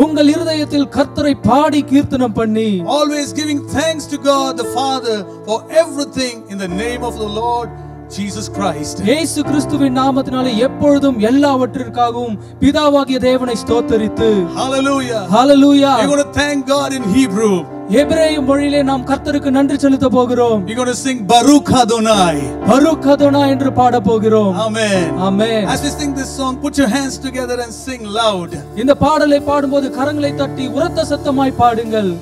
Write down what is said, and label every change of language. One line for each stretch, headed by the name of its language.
Tamil: உங்கள் இதயத்தில் கர்த்தரை பாடி கீர்த்தனம் பண்ணி.
English: Always giving thanks to God the Father for everything in the name of the Lord Jesus Christ.
Tamil: இயேசு கிறிஸ்துவின் நாமத்தினாலே எப்பொழுதும் எல்லாவற்றிற்காகவும் பிதாவாகிய தேவனை ஸ்தோத்தரித்து. Hallelujah. Hallelujah.
English: You're going to thank God in Hebrew.
Tamil: எபிரேய மொழியிலே நாம் கர்த்தருக்கு நன்றி செலுத்த போகிறோம்.
English: You're going to sing Baruch Adonai.
Tamil: Baruch Adonai என்று பாட போகிறோம். Amen. Amen.
English: As we sing this song, put your hands together and sing loud.
Tamil: இந்த பாடலை பாடும்போது கரங்களை தட்டி உரத்த சத்தமாய் பாடுங்கள்.